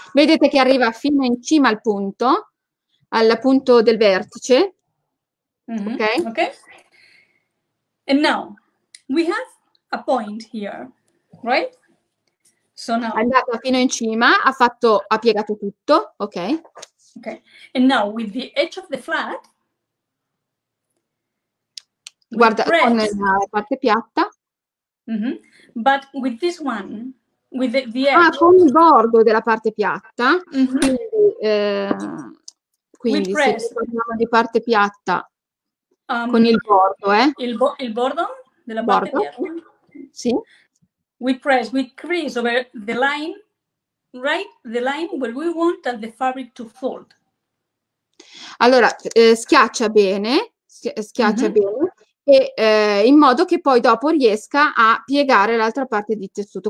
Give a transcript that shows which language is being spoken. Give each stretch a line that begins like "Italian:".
Italian: Vedete che arriva fino in cima al punto. Al punto del vertice. Mm-hmm. Okay. Okay.
English: And now we have a point here, right? So now.
Italian: Andata fino in cima, ha piegato tutto. Okay.
English: Okay. And now with the edge of the flat.
Italian: Guarda con la parte piatta.
English: Mm-hmm. But with this one, with the edge.
Italian: Ah, con il bordo della parte piatta. Mm-hmm. Quindi, quindi se parliamo di parte piatta con il bordo, il bordo della parte bordo. Piatta. Sì.
English: We press, we crease over the line, right? The line where we want the fabric to fold.
Italian: Allora, schiaccia bene, schiaccia mm-hmm. bene, e in modo che poi dopo riesca a piegare l'altra parte di tessuto.